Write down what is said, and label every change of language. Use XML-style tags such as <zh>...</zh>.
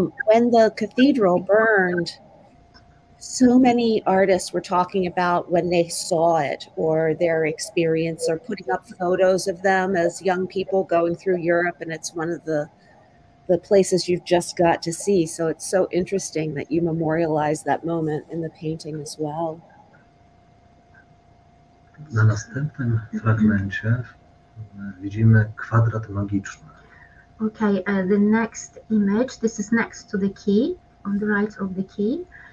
<en>When the cathedral burned, so many artists were talking about when they saw it or their experience or putting up photos of them as young people going through Europe, and it's one of the places you've just got to see. So it's so interesting that you memorialize that moment in the painting as well.</en> <pl>Na następnym fragmencie widzimy kwadrat magiczny.</pl> <en>Okay, the next image, this is next to the key, on the right of the key.</en>